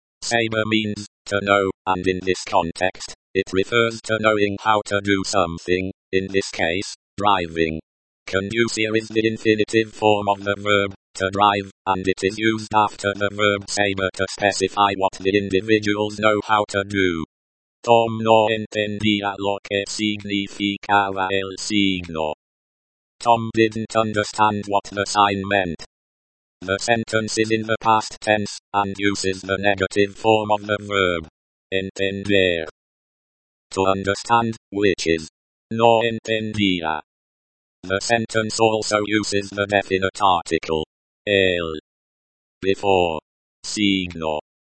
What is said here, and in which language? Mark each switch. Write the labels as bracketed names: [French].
[English] Saber means to know, and in this context, it refers to knowing how to do something, in this case, driving. Conducir is the infinitive form of the verb to drive, and it is used after the verb saber to specify what the individuals know how to do. [Spanish] Tom no entendía lo que significaba el signo. [English] Tom didn't understand what the sign meant. The sentence is in the past tense, and uses the negative form of the verb, entender. To understand, which is, [Spanish] no entendía. [English] The sentence also uses the definite article, el, before, signo.